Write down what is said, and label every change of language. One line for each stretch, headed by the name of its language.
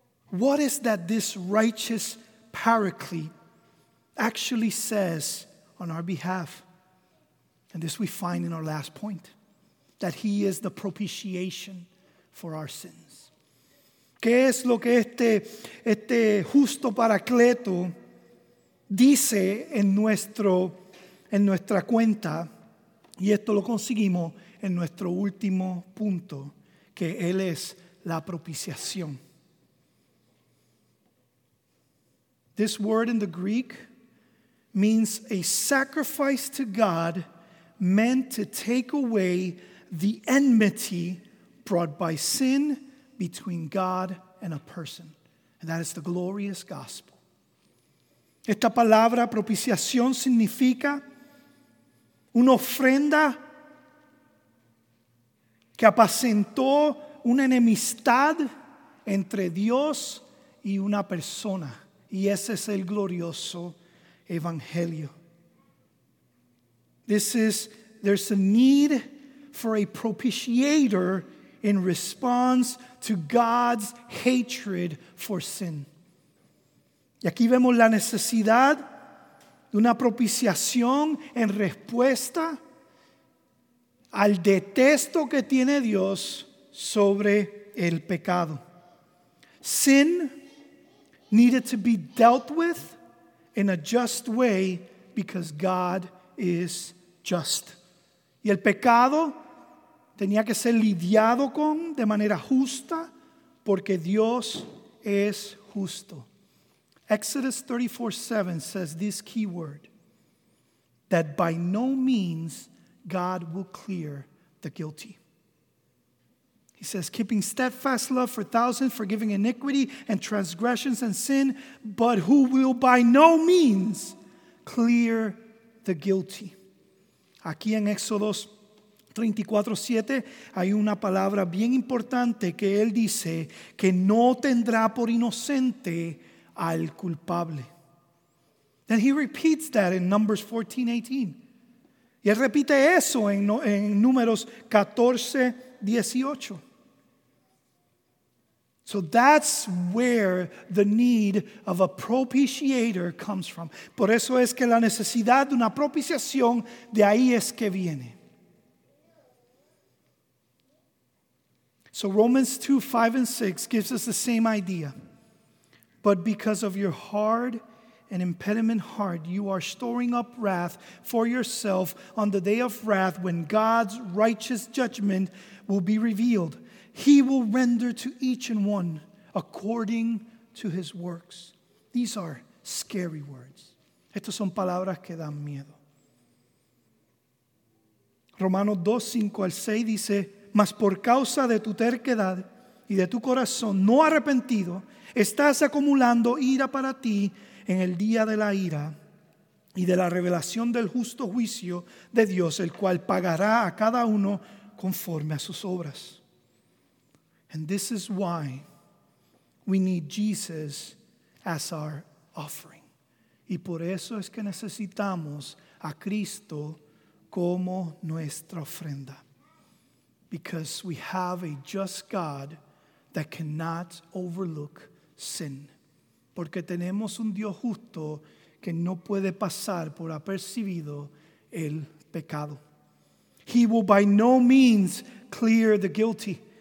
English: What is that this righteous paraclete actually says on our behalf? And this we find in our last point, that he is the propitiation for our sins.
Spanish: ¿Qué es lo que este justo paracleto dice en nuestra cuenta? Y esto lo conseguimos en nuestro último punto, que él es la propiciación.
English: This word in the Greek means a sacrifice to God meant to take away the enmity brought by sin between God and a person. And that is the glorious gospel.
Spanish: Esta palabra propiciación significa una ofrenda que apacentó una enemistad entre Dios y una persona. Y ese es el glorioso evangelio.
English: There's a need for a propitiator in response to God's hatred for sin.
Spanish: Y aquí vemos la necesidad de una propiciación en respuesta al detesto que tiene Dios sobre el pecado.
English: Sin needed to be dealt with in a just way because God is just.
Spanish: Y el pecado tenía que ser lidiado con de manera justa porque Dios es justo.
English: Exodus 34:7 says this key word, that by no means God will clear the guilty. He says, keeping steadfast love for thousands, forgiving iniquity and transgressions and sin, but who will by no means clear the guilty.
Spanish: Aquí en Éxodos 34:7 hay una palabra bien importante que él dice que no tendrá por inocente al culpable.
English: Then he repeats that in Numbers 14:18.
Spanish: Y él repite eso en Números 14:18.
English: So that's where the need of a propitiator comes from.
Spanish: Por eso es que la necesidad de una propiciación de ahí es que viene.
English: So Romans 2:5-6 gives us the same idea. But because of your hard and impediment heart, you are storing up wrath for yourself on the day of wrath when God's righteous judgment will be revealed. He will render to each and one according to his works. These are scary words.
Spanish: Estas son palabras que dan miedo. Romanos 2:5-6 dice, mas por causa de tu terquedad y de tu corazón no arrepentido, estás acumulando ira para ti en el día de la ira y de la revelación del justo juicio de Dios, el cual pagará a cada uno conforme a sus obras.
English: And this is why we need Jesus as our offering.
Spanish: Y por eso es que necesitamos a Cristo como nuestra ofrenda.
English: Because we have a just God that cannot overlook sin.
Spanish: Porque tenemos un Dios justo que no puede pasar por apercibido el pecado.
English: He will by no means clear the guilty.